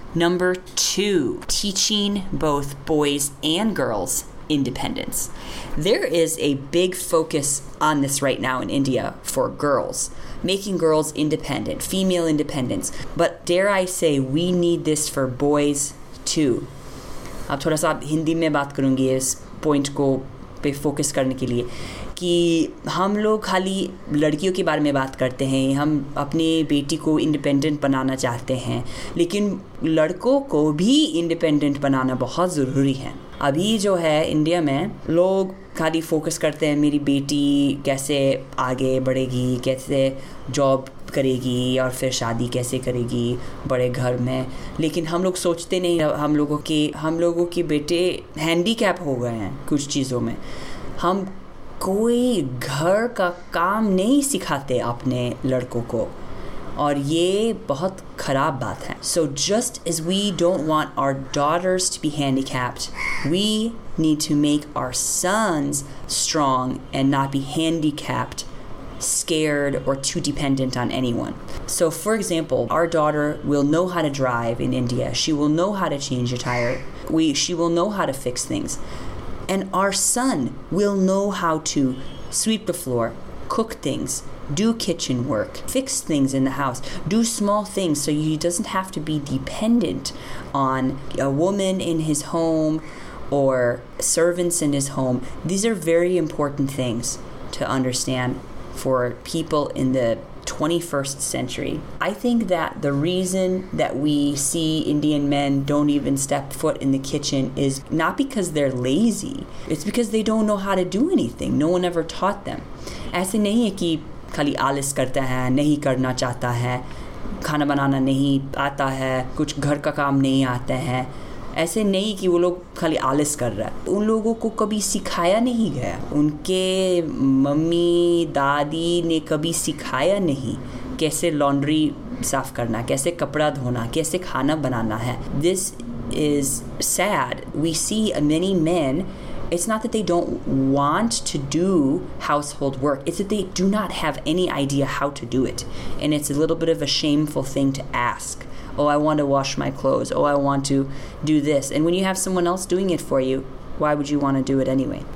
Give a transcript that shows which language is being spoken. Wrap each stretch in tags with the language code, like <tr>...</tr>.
<en>Number two, teaching both boys and girls independence. There is a big focus on this right now in India for girls, making girls independent, female independence. But dare I say, we need this for boys too.</en> <hi>Ab thoda sa Hindi mein baat karungi is point ko pe focus karne ke liye. कि हम लोग खाली लड़कियों के बारे में बात करते हैं, हम अपने बेटी को इंडिपेंडेंट बनाना चाहते हैं, लेकिन लड़कों को भी इंडिपेंडेंट बनाना बहुत ज़रूरी है. अभी जो है इंडिया में लोग खाली फोकस करते हैं मेरी बेटी कैसे आगे बढ़ेगी, कैसे जॉब करेगी और फिर शादी कैसे करेगी बड़े घर में, लेकिन हम लोग सोचते नहीं हम लोगों के बेटे हैंडीकैप हो गए हैं कुछ चीज़ों में. हम कोई घर का काम नहीं सिखाते अपने लड़कों को और ये बहुत खराब बात है.</hi> <en>So just as we don't want our daughters to be handicapped, we need to make our sons strong and not be handicapped, scared, or too dependent on anyone. So for example, our daughter will know how to drive in India. She will know how to change a tire. She will know how to fix things. And our son will know how to sweep the floor, cook things, do kitchen work, fix things in the house, do small things so he doesn't have to be dependent on a woman in his home or servants in his home. These are very important things to understand for people in the 21st century. I think that the reason that we see Indian men don't even step foot in the kitchen is not because they're lazy. It's because they don't know how to do anything. No one ever taught them.</en> <hi>ऐसे नहीं है कि खाली आलस करता है, नहीं करना चाहता है, खाना बनाना नहीं आता है, कुछ घर का काम नहीं आता है. ऐसे नहीं कि वो लोग खाली आलस कर रहा है. उन लोगों को कभी सिखाया नहीं गया. उनके मम्मी दादी ने कभी सिखाया नहीं कैसे लॉन्ड्री साफ करना, कैसे कपड़ा धोना, कैसे खाना बनाना है.</hi> <en>This is sad. We see many man. It's not that they don't want to do household work. It's that they do not have any idea how to do it. And it's a little bit of a shameful thing to ask. Oh, I want to wash my clothes. Oh, I want to do this. And when you have someone else doing it for you, why would you want to do it anyway?</en>